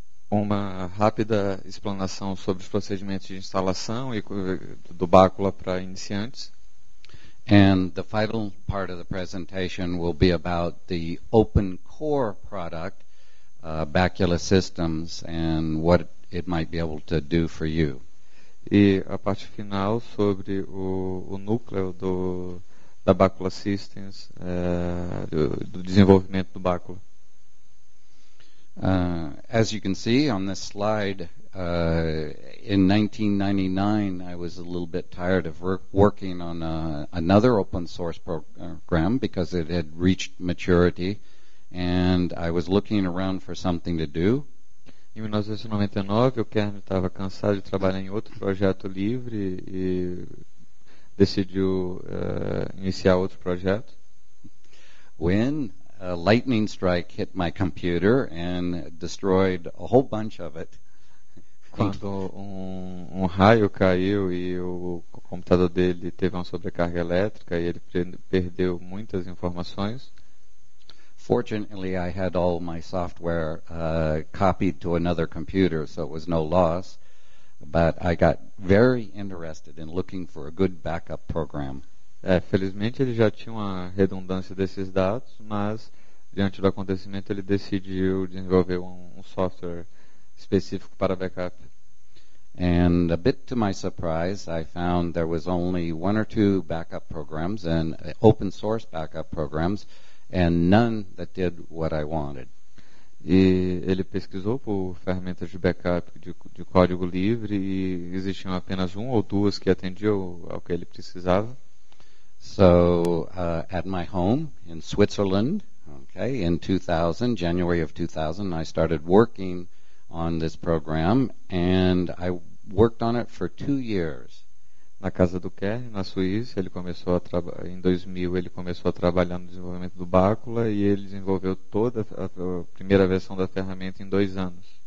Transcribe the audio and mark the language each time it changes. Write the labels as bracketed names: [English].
[Portuguese] Uma rápida explanação sobre os procedimentos de instalação e do Bacula para iniciantes. [English] And the final part of the presentation will be about the open core product, Bacula Systems, and what it might be able to do for you. [Portuguese] E a parte final sobre o núcleo da Bacula Systems, do desenvolvimento do Bacula. [English] As you can see on this slide, in 1999, I was a little bit tired of working on another open source program because it had reached maturity, and I was looking around for something to do. [Portuguese] Em 1999, o Kern estava cansado de trabalhar em outro projeto livre e decidiu iniciar outro projeto. [English] When a lightning strike hit my computer and destroyed a whole bunch of it. [Portuguese] Quando um raio caiu e o computador dele teve uma sobrecarga elétrica e ele perdeu muitas informações. [English] Fortunately, I had all my software copied to another computer, so it was no loss. But I got very interested in looking for a good backup program. [Portuguese] Felizmente ele já tinha uma redundância desses dados, mas diante do acontecimento ele decidiu desenvolver um software específico para backup. [English] And a bit to my surprise, I found there was only 1 or 2 backup programs and open source backup programs and none that did what I wanted. [Portuguese] E ele pesquisou por ferramentas de backup de código livre e existiam apenas 1 ou 2 que atendiam ao que ele precisava. [English] So, at my home in Switzerland, Okay, in 2000, January of 2000, I started working on this program, and I worked on it for 2 years. [Portuguese] Na casa do Kern, na Suíça, ele começou a em 2000 ele começou a trabalhar no desenvolvimento do Bacula e ele desenvolveu toda a primeira versão da ferramenta em 2 anos.